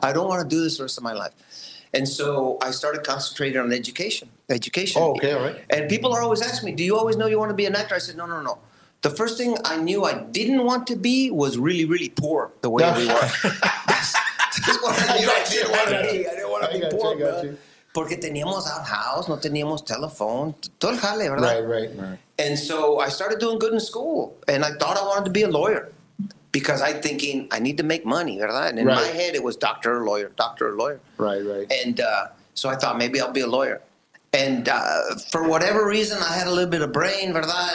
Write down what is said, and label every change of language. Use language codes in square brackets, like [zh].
[en] I don't want to do this the rest of my life. And so I started concentrating on education. Oh, okay, all right. And people are always asking me, do you always know you want to be an actor? I said, no. The first thing I knew I didn't want to be was really, really poor the way we were. That's what I knew I didn't want to be. I didn't want to be poor. [es] Porque teníamos [en] our house, [es] no teníamos telephone, todo el jale, ¿verdad? [en] Right. And so I started doing good in school, and I thought I wanted to be a lawyer because I'm thinking I need to make money, [es] ¿verdad? [en] And in my head, it was doctor or lawyer. Right. And so I thought maybe I'll be a lawyer. And for whatever reason, I had a little bit of brain, [es] ¿verdad?